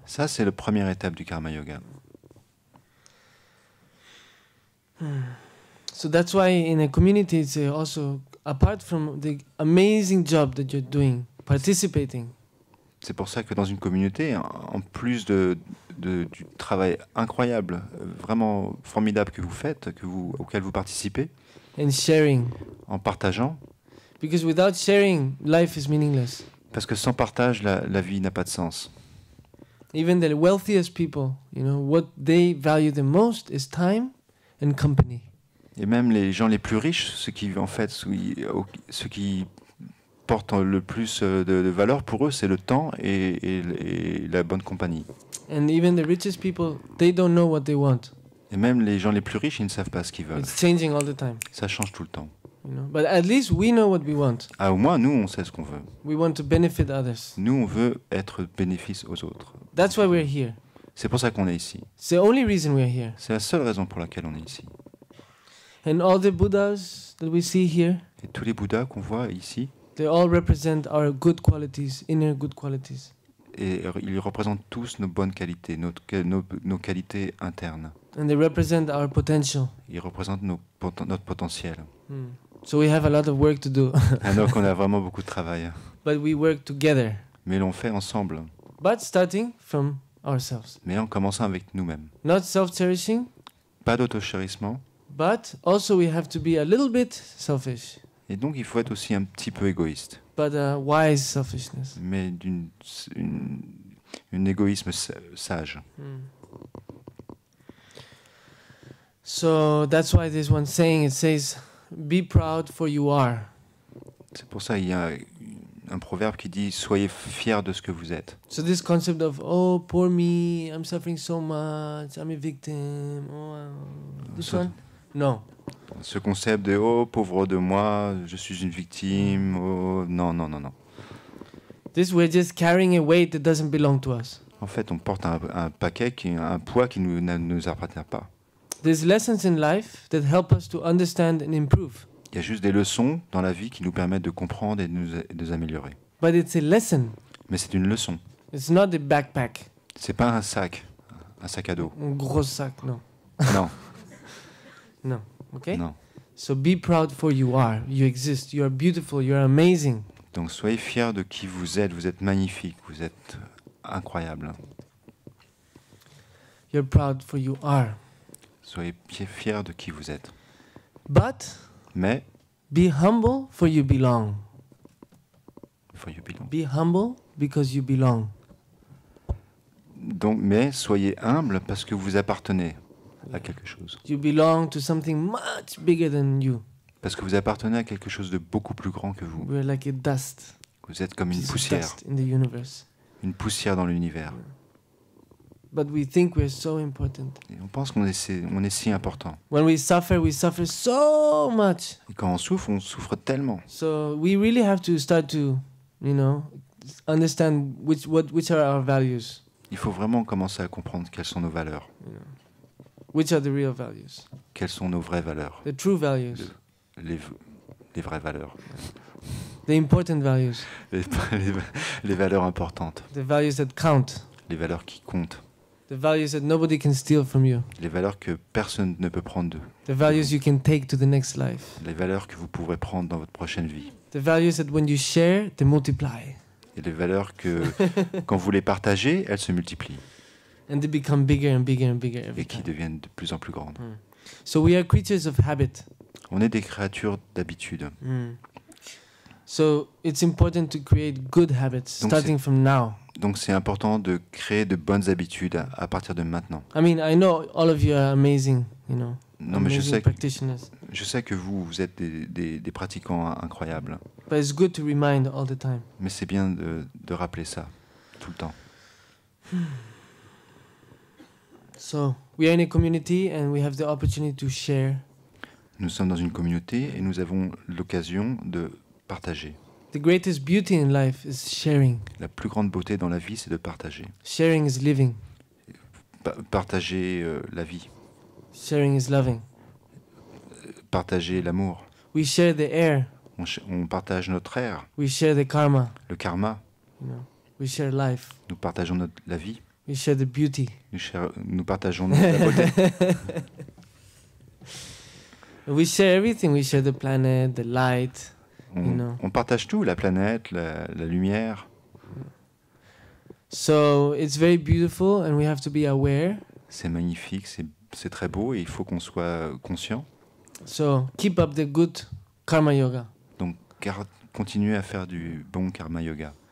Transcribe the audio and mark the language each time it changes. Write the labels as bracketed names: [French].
[French] Ça, c'est la première étape du karma yoga. [English] So that's why in a community, it's also apart from the amazing job that you're doing, participating. [French] C'est pour ça que dans une communauté, en plus du travail incroyable, vraiment formidable que vous faites, auquel vous participez, [English] and sharing. [French] En partageant, [English] because without sharing, life is meaningless. [French] Parce que sans partage, la vie n'a pas de sens. [English] Even the wealthiest people, you know, what they value the most is time and company. [French] Et même les gens les plus riches, ceux qui portent le plus de valeur pour eux, c'est le temps et la bonne compagnie. [English] And even the richest people, they don't know what they want. [French] Et même les gens les plus riches, ils ne savent pas ce qu'ils veulent. [English] It's changing all the time. [French] Ça change tout le temps. [English] You know? But at least we know what we want. [French] Ah, au moins nous, on sait ce qu'on veut. [English] We want to benefit others. [French] Nous, on veut être bénéfice aux autres. [English] That's why we're here. [French] C'est pour ça qu'on est ici. [English] It's the only reason we're here. [French] C'est la seule raison pour laquelle on est ici. [English] And all the Buddhas that we see here. [French] Et tous les Bouddhas qu'on voit ici. [English] They all represent our good qualities, inner good qualities. [French] Et ils représentent tous nos bonnes qualités, nos qualités internes. [English] And they represent our potential. [French] Ils représentent notre potentiel. [English] So we have a lot of work to do. [French] Alors qu'on a vraiment beaucoup de travail. [English] But we work together. [French] Mais l'on fait ensemble. [English] But starting from ourselves. [French] Mais en commençant avec nous-mêmes. [English] Not self-cherishing. [French] Pas d'auto-chérissement. [English] But also we have to be a little bit selfish. [French] Et donc il faut être aussi un petit peu égoïste. [English] But a wise selfishness. [French] Mais d'un égoïsme sage. [English] So that's why there's one saying, it says, be proud for you are. [French] C'est pour ça qu'il y a un proverbe qui dit, soyez fier de ce que vous êtes. [English] So this concept of, oh, poor me, I'm suffering so much, I'm a victim, oh, this one? [French] Non. Ce concept de « Oh, pauvre de moi, je suis une victime, oh, non, non, non, non. » [English] This, we're just carrying a weight that doesn't belong to us. [French] En fait, on porte un paquet, un poids qui ne nous appartient pas. [English] There's lessons in life that help us to understand and improve. [French] Il y a juste des leçons dans la vie qui nous permettent de comprendre et de nous améliorer. [English] But it's a lesson. [French] Mais c'est une leçon. [English] It's not a backpack. [French] C'est pas un sac à dos. Un gros sac, non. Non. Non. Okay? Non. [English] So be proud for you are. You exist. You are beautiful. You are amazing. [French] Donc soyez fiers de qui vous êtes. Vous êtes magnifique. Vous êtes incroyable. [English] You're proud for you are. [French] Soyez fiers de qui vous êtes. [English] But. [French] Mais. [English] Be humble for you belong. For you belong. Be humble because you belong. [French] Donc mais soyez humble parce que vous appartenez. À quelque chose. [English] You belong to something much bigger than you. [French] Parce que vous appartenez à quelque chose de beaucoup plus grand que vous. [English] We're like a dust. [French] Vous êtes comme une poussière. [English] Dust in the universe. [French] Une poussière dans l'univers. [English] But we think we're so important. [French] Et on pense qu'on est si important. [English] When we suffer so much. [French] Et quand on souffre tellement. [English] So we really have to start to, you know, understand which are our values. [French] Il faut vraiment commencer à comprendre quelles sont nos valeurs. [English] Yeah. Which are the real values? [French] Quelles sont nos vraies valeurs? [English] The true values. [French] Les vraies valeurs. [English] The important values. [French] Les valeurs importantes. [English] The values that count. [French] Les valeurs qui comptent. [English] The values that nobody can steal from you. [French] Les valeurs que personne ne peut prendre d'eux. [English] The values you can take to the next life. [French] Les valeurs que vous pourrez prendre dans votre prochaine vie. [English] The values that when you share, they multiply. [French] Et les valeurs que quand vous les partagez, elles se multiplient. [English] And they become bigger and bigger and bigger every time. [French] Et qui deviennent de plus en plus grandes. Mm. [English] So we are creatures of habit. [French] On est des créatures d'habitude. Mm. [English] So it's important to create good habits starting from now. [French] Donc c'est important de créer de bonnes habitudes à partir de maintenant. [English] I mean, I know all of you are amazing, you know. [French] Non, mais je sais que vous êtes des pratiquants incroyables. [English] But it's good to remind all the time. [French] Mais c'est bien de rappeler ça tout le temps. [English] So, we are in a community and we have the opportunity to share. [French] Nous sommes dans une communauté et nous avons l'occasion de partager. [English] The greatest beauty in life is sharing. [French] La plus grande beauté dans la vie, c'est de partager. [English] Sharing is living. [French] Partager la vie. [English] Sharing is loving. [French] Partager l'amour. [English] We share the air. [French] On partage notre air. [English] We share the karma. [French] Le karma. [English] You know, we share life. [French] Nous partageons la vie. [English] We share the beauty. [French] Nous partageons la beauté. [English] We share everything. We share the planet, the light. [French] On partage tout, la planète, la lumière. [English] So it's very beautiful, and we have to be aware. [French] C'est magnifique, c'est très beau, et il faut qu'on soit conscient. [English] So keep up the good karma yoga. [French] Donc continuez à faire du bon karma yoga.